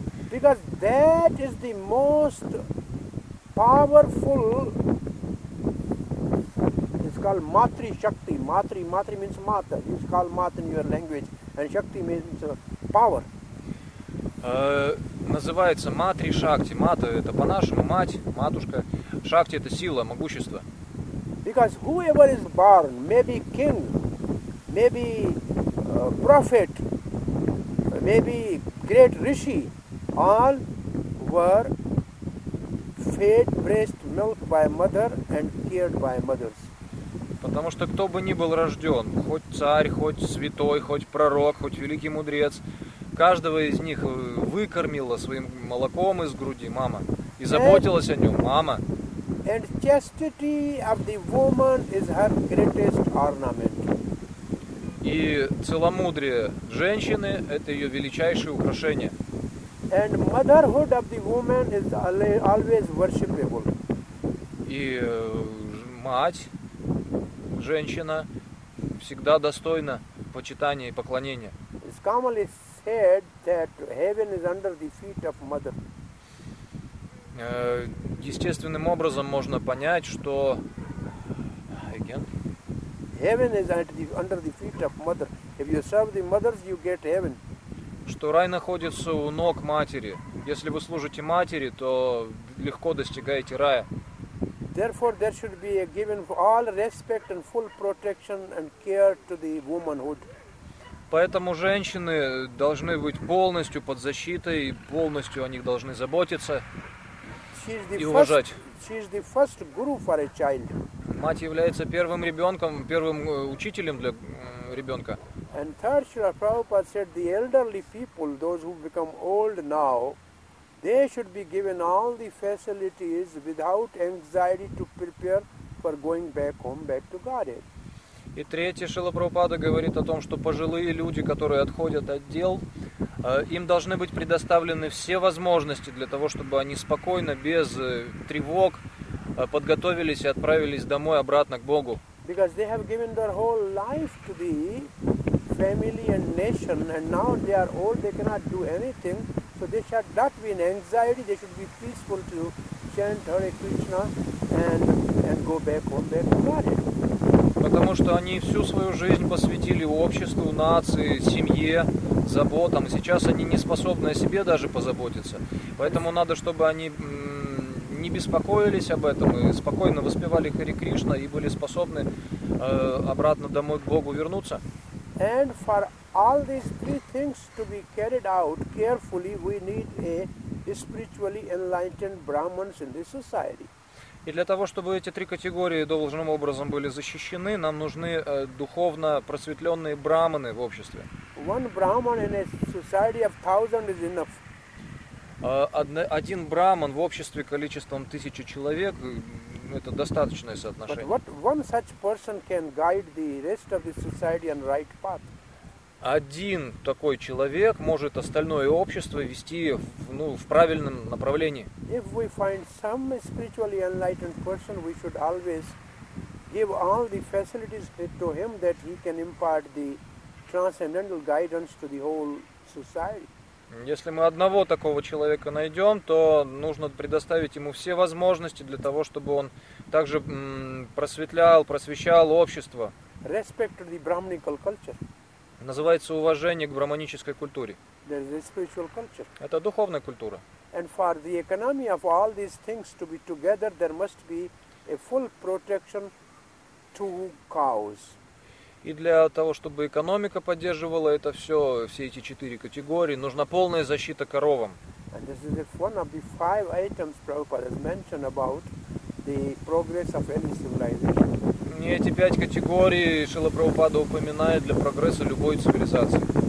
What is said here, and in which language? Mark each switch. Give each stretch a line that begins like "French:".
English: Because that is the most powerful, it's called Matri Shakti. Matri means mother. It's called mother in your language. And Shakti means power.
Russian: Называется Матри Шакти. Мата – это по-нашему мать, матушка. Шакти – это сила, могущество.
English: Because whoever is born, maybe king, maybe prophet, maybe great rishi, all were fed breast milk by mother and cared by mothers.
Russian: Потому что кто бы ни был рожден, хоть царь, хоть святой, хоть пророк, хоть великий мудрец, каждого из них выкормила своим молоком из груди мама и заботилась о нем мама.
English: And chastity of the woman is her greatest ornament.
Russian: И целомудрие женщины – это ее величайшее украшение.
English: And motherhood of the woman is always worshipable.
Russian: И мать, женщина, всегда достойна почитания и поклонения.
English: It's commonly said that heaven is under the feet of mother.
Russian: Естественным образом можно понять, что
English: heaven is under the feet of mother. If you serve the mothers, you get heaven.
Russian: Что рай находится у ног матери. Если вы служите матери, то легко достигаете рая.
English: Therefore, there should be given all respect and full protection and care to the womanhood.
Russian: Поэтому женщины должны быть полностью под защитой, полностью о них должны заботиться и уважать. Мать является первым ребенком, первым учителем для ребенка.
English: And third, Srila Prabhupada said, the elderly people, those who become old now, they should be given all the facilities without anxiety to prepare for going back home, back to Godhead.
Russian: И третье, Шрила Прабхупада говорит о том, что пожилые люди, которые отходят от дел, им должны быть предоставлены все возможности для того, чтобы они спокойно, без тревог, подготовились и отправились домой, обратно к Богу.
English: Because they have given their whole life to the family and nation, and now they are old, they cannot do anything, so they should not be in anxiety, they should be peaceful to chant Hare Krishna and go back home, back to Godhead.
Russian: Потому что они всю свою жизнь посвятили обществу, нации, семье, заботам. Сейчас они не способны о себе даже позаботиться. Поэтому надо, чтобы они не беспокоились об этом и спокойно воспевали Хари Кришна и были способны обратно домой к Богу вернуться.
English: And for all these three things to be carried out carefully, we need a spiritually enlightened Brahmins in this society.
Russian: И для того, чтобы эти три категории должным образом были защищены, нам нужны духовно просветленные брахманы в обществе.
English: One brahman in a society of thousand is enough.
Russian: Один брахман в обществе количеством тысячи человек – это достаточное соотношение.
English: But what one such person can guide the rest of the society on right path?
Russian: Один такой человек может остальное общество вести в правильном направлении.
English: If we find some spiritually enlightened person, we should always give all the facilities to him that he can impart the transcendental guidance to the whole society.
Russian: Если мы одного такого человека найдем, то нужно предоставить ему все возможности для того, чтобы он также просвещал общество.
English: Respect to the brahminical culture.
Russian: Называется уважение к брахманической культуре.
English: There is a spiritual culture.
Russian: Это духовная культура.
English: And for the economy of all these things to be together, there must be a full protection to cows.
Russian: И для того, чтобы экономика поддерживала это все эти четыре категории, нужна полная защита коровам.
English: And this is one of the five items Prabhupada has mentioned about the progress of any civilization.
Russian: И эти пять категорий Шрила Прабхупада упоминает для прогресса любой цивилизации.